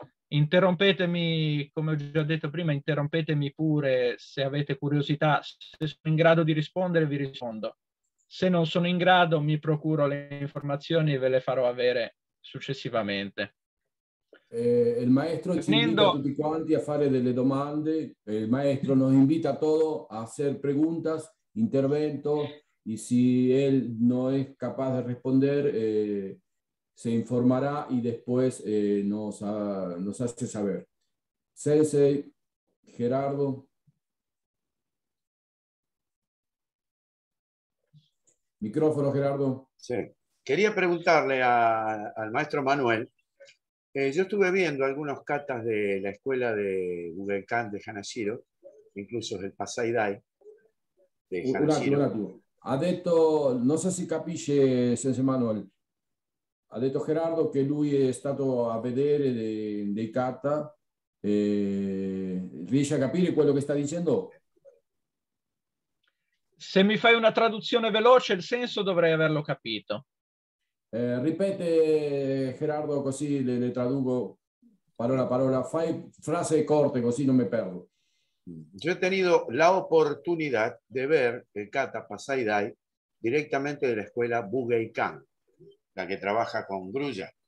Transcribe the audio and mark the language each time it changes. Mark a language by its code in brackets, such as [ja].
[it] Interrompetemi, come ho già detto prima, interrompetemi pure se avete curiosità. Se sono in grado di rispondere, vi rispondo. Se non sono in grado, mi procuro le informazioni e ve le farò avere successivamente. Il maestro ci invita tutti quanti a fare delle domande. [es] Il maestro nos invita a todos a hacer preguntas, intervento, y si él no es capaz de responder, se informará y después nos hace saber. Sensei, Gerardo. Micrófono, Gerardo. Sí. Quería preguntarle al maestro Manuel. Yo estuve viendo algunos katas de la escuela de Bugenkan de Hanashiro, incluso el Pasai Dai de Hanashiro. [it] Ha detto, [es] no sé si [it] capisce, [es] Sensei Manuel. [it] Ha detto Gerardo che lui è stato a vedere dei kata. Riesce a capire quello che sta dicendo? Se mi fai una traduzione veloce, il senso dovrei averlo capito. Ripete, Gerardo, così le traduco parola a parola. Fai frase corte, così non mi perdo. [es] Yo he tenido la oportunidad de ver el kata Pasai Dai directamente de la escuela Bugeikan, la que trabaja con grulla.